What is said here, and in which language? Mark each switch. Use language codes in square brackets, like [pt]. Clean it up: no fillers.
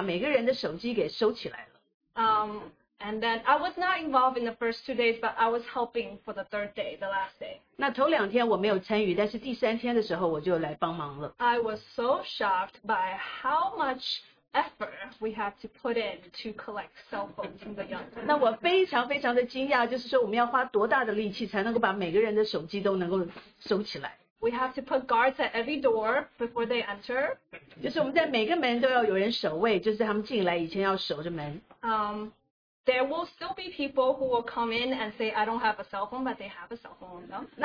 [zh] 那就是我再转一个话题，就是这是第一次呢，我们在特会里面把每个人的手机给收起来了。 [en] And then I was not involved in the first 2 days, but I was helping for the 3rd day, the last day. [zh] 那头两天我没有参与，但是第三天的时候我就来帮忙了。 [en] I was so shocked by how much effort we have to put in to collect cell phones from the young people. [zh] 那我非常非常的惊讶，就是说我们要花多大的力气才能够把每个人的手机都能够收起来。 [en] We have to put guards at every door before they enter. [zh] 就是我们在每个门都要有人守卫，就是他们进来以前要守着门。 [en] There will still be people who will come in and say, I don't have a cell phone, but they have a cell phone, no?